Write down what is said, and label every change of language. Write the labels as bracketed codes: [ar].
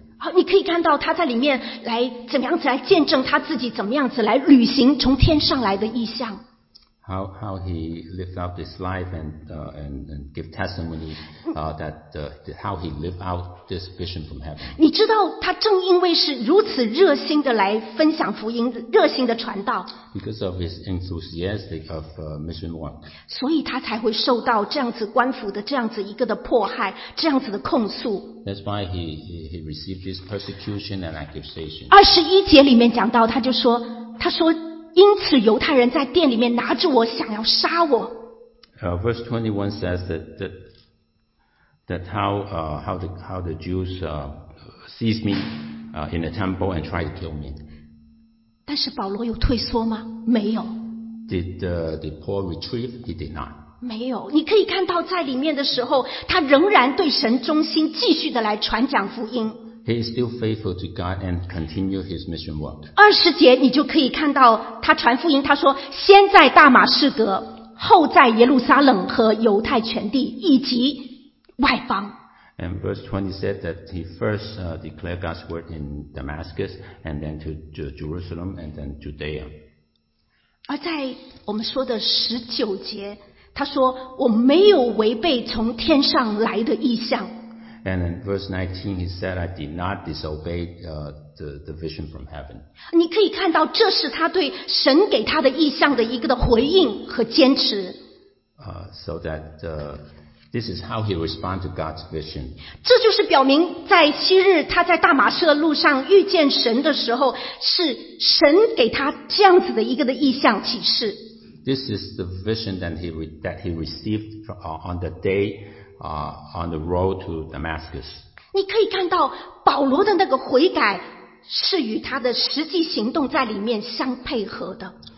[zh] 好，你可以看到他在里面来怎么样子来见证他自己，怎么样子来履行从天上来的意象。 [en] How he lived out this life and give testimony how he lived out this vision from heaven. [zh] 你知道他正因为是如此热心的来分享福音，热心的传道。 [en] Because of his enthusiastic of mission work. [zh] 所以他才会受到这样子官府的这样子一个的迫害，这样子的控诉。 [en] That's why he received this persecution and accusation. [zh] 21节里面讲到，他说。因此犹太人在殿里面拿着我想要杀我。 [en] Verse 21 says that how the Jews seized me in the temple and tried to kill me. [zh] 但是保罗有退缩吗？没有。 [en] Did Paul retreat? He did not. [zh] 没有。你可以看到在里面的时候，他仍然对神忠心，继续的来传讲福音。 [en] He is still faithful to God and continue his mission work. [zh] 20节你就可以看到他传福音，他说先在大马士革，后在耶路撒冷和犹太全地以及外邦。 [en] And verse 20 said that he first declared God's word in Damascus and then to Jerusalem and then Judea. [zh] 而在我们说的19节，他说我没有违背从天上来的意象。 [en] And in verse 19, he said, I did not disobey the vision from heaven. [zh] 你可以看到这是他对神给他的意象的一个的回应和坚持。 [en] So this is how he responded to God's vision. [zh] 这就是表明在昔日他在大马士革路上遇见神的时候，是神给他这样子的一个的意象启示。 [en] This is the vision that he received on the day on the road to Damascus. [zh] 你可以看到保罗的那个悔改是与他的实际行动在里面相配合的。